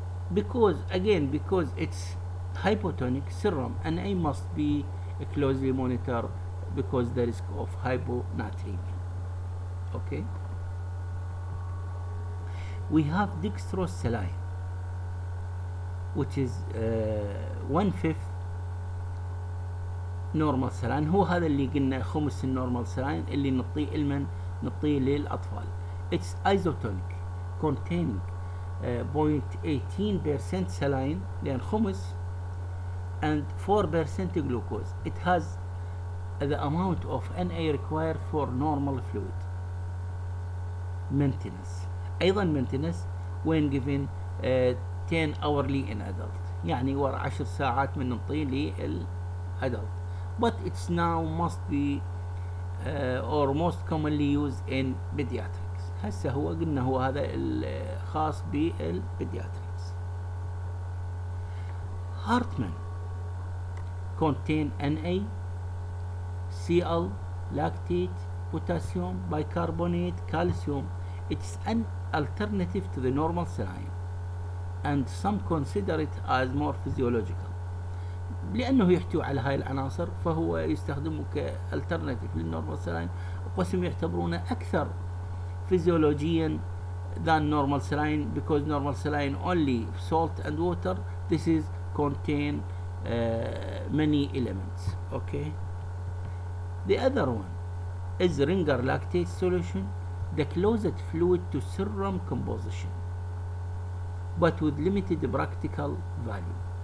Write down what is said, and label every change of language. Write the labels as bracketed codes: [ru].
[en] Because again because it's hypotonic serum and I must be closely monitor because the risk of hyponatremia. Okay. We have dextrose saline, which is 1/5 normal saline. [ar] هو هذا اللي قلنا خمس النورمال سلاين اللي نعطيه لمن؟ نعطيه للأطفال. [en] It's isotonic, containing 0.18% saline، [ar] لأن خمس، [en] and 4% glucose. It has the amount of Na required for normal fluid maintenance. [ar] أيضا [en] maintenance when given 10 hourly in adult، [ar] يعني ورا 10 ساعات من نطي للأدلت. [en] But it's now must be or most commonly used in pediatrics. [ar] هسه هو قلنا هو هذا الخاص بالبيدياتريكس. [en] Hartman contain Na Cl, lactate, potassium, bicarbonate, calcium. It's an alternative to the normal saline, and some consider it as more physiological. [ar] لأنه يحتوي على هاي العناصر، فهو يستخدمه كalternative للnormal saline. قسم يعتبرونه أكثر [en] physiologian than normal saline because normal saline only salt and water. This is contain many elements. Okay. The other one is Ringer lactate solution, the closest fluid to serum composition, but with limited practical value.